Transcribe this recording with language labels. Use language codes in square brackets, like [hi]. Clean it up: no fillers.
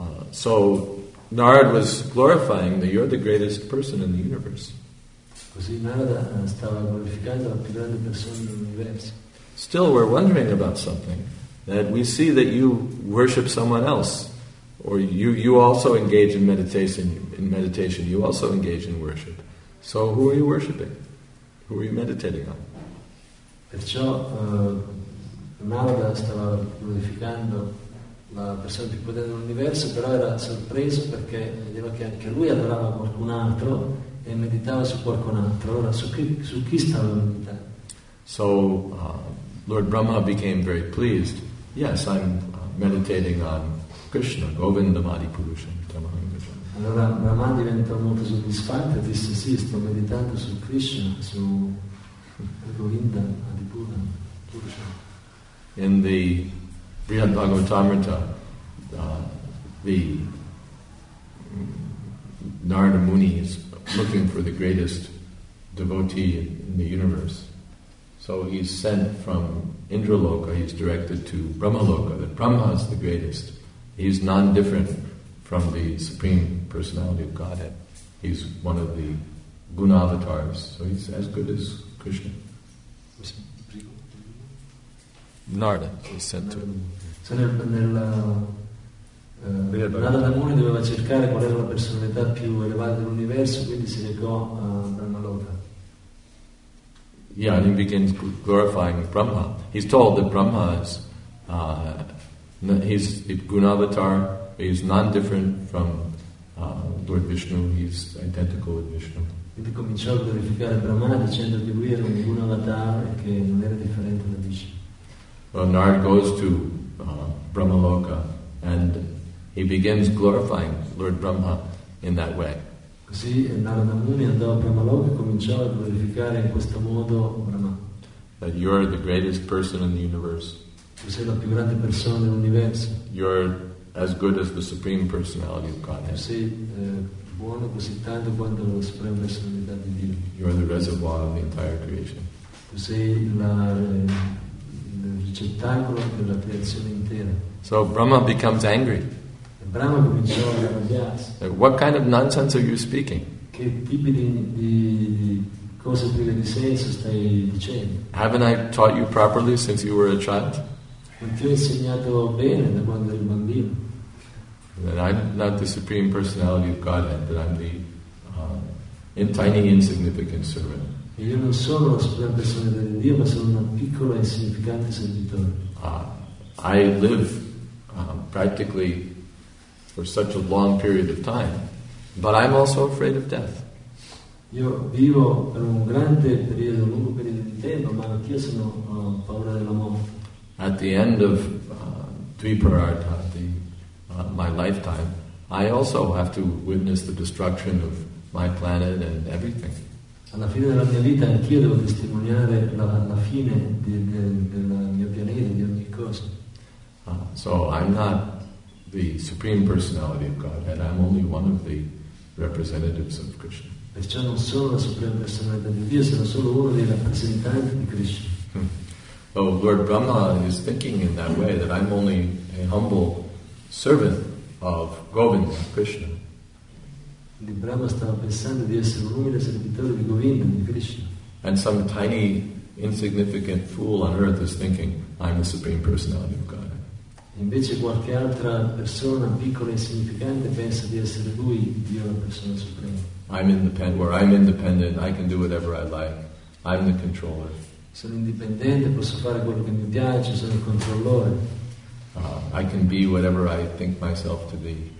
[en] So Narad was glorifying that you're the greatest person in the universe. [it] Così Narada stava glorificando la più grande persona dell'universo. [en] Still, we're wondering about something that we see that you worship someone else, or you also engage in meditation. In meditation, you also engage in worship. So, who are you worshiping? Who are you meditating on? [it] Perciò Narada stava glorificando la persona più potente dell'universo, però era sorpreso perché vedeva che anche lui adorava qualcun altro. E meditava su qualcun altro. Ora, su chi stava meditando? [en] So, Lord Brahma became very pleased. Yes, I'm meditating on Krishna, Govinda Madhi Purusha, Tamahangajana. [it] Allora Brahman diventa molto soddisfatto e disse sì, sto meditando su Krishna, su Govinda, Adipura, Purusha. [en] In the Brihad Bhagavatamrita, the Narada Muni is looking for the greatest devotee in the universe. So he's sent from Indraloka, he's directed to Brahmaloka, that Brahma is the greatest. He's non-different from the Supreme Personality of Godhead. He's one of the guna avatars, so he's as good as Krishna. Narada is sent to [it] Narada Muni doveva cercare qual era la personalità più elevata dell'universo, quindi si legò a Brahmaloka. [en] Yeah, and he begins glorifying Brahma. He's told that Brahma is he's a gunavatar, he's non-different from Lord Vishnu, he's identical with Vishnu. [it] Quindi cominciò a glorificare Brahma dicendo che lui era un gunavatar e che non era differente da Vishnu. [en] Well, Narada goes to Brahmaloka and he begins glorifying Lord Brahma in that way. [it] Così Narada Muni andò a Brahmaloka e cominciò a glorificare in questo modo Brahma. [en] That you are the greatest person in the universe. [it] Tu sei la più grande persona dell'universo. [en] You are as good as the Supreme Personality of Godhead. [it] Tu sei buono così tanto quanto la Suprema Personalità di Dio. [en] You are the reservoir of the entire creation. [it] Tu sei il ricettacolo della creazione intera. [en] So Brahma becomes angry. [it] Brahma cominciò a arrabbiarsi. [en] What kind of nonsense are you speaking? [it] Che tipo di cose prive di senso stai dicendo? [en] Haven't I taught you properly since you were a child? [it] Non ti ho insegnato bene da quando eri bambino. [en] That I'm not the Supreme Personality of Godhead, but I'm the tiny insignificant servant. [it] E io non sono la Suprema Personalità di Dio, ma sono una piccola e insignificante servitore. [en] I live practically for such a long period of time, but I'm also afraid of death. [it] Io vivo per un grande periodo, un lungo periodo di tempo, ma anch'io sono paura della morte. [en] At the end of Dviparartha, my lifetime, I also have to witness the destruction of my planet and everything. [it] Alla fine della mia vita anch'io devo testimoniare la fine della mia pianeta, di ogni cosa. [en] So I'm not the Supreme Personality of Godhead, I'm only one of the representatives of Krishna. [it] Perciò non sono la Suprema Personalità di Dio, sono solo uno dei rappresentanti di Krishna. [en] So Lord Brahma is thinking in that way, that I'm only a humble servant of Govinda, Krishna. [it] Di Brahma stava pensando di essere un umile servitore di Govinda, di Krishna. [en] And some tiny, insignificant fool on earth is thinking, I'm the Supreme Personality of God. [it] Invece qualche altra persona piccola e insignificante pensa di essere lui, Dio, la persona suprema. [en] I'm independent, I can do whatever I like. I'm the controller. [it] Sono indipendente, posso fare quello che mi piace, sono il controllore. [en] I can be whatever I think myself to be.